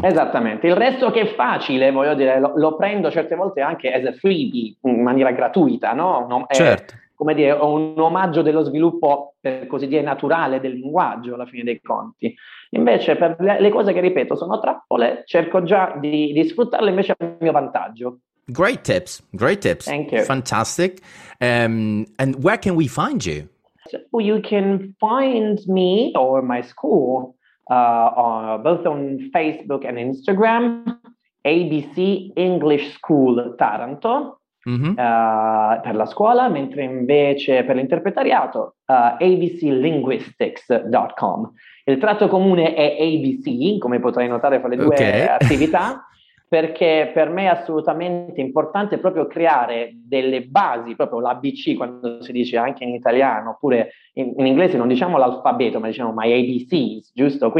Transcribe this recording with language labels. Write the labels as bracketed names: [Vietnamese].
[Italian] Esattamente, il resto che è facile, voglio dire, lo prendo certe volte anche [English] as a freebie, [Italian] in maniera gratuita, no? Non è, certo. Come dire, un omaggio dello sviluppo, per così dire, naturale del linguaggio, alla fine dei conti. Invece, per le cose che ripeto sono trappole, cerco già di sfruttarle invece a mio vantaggio. [English] Great tips, thank you. Fantastic. And where can we find you? So you can find me or my school both on Facebook and Instagram, ABC English School Taranto. [Italian] Per la scuola, mentre invece per l'interpretariato abclinguistics.com. Il tratto comune è ABC, come potrai notare fra le due attività, perché per me è assolutamente importante proprio creare delle basi, proprio l'ABC, quando si dice anche in italiano, oppure in inglese non diciamo l'alfabeto, ma diciamo [English] my ABCs, [Italian] giusto?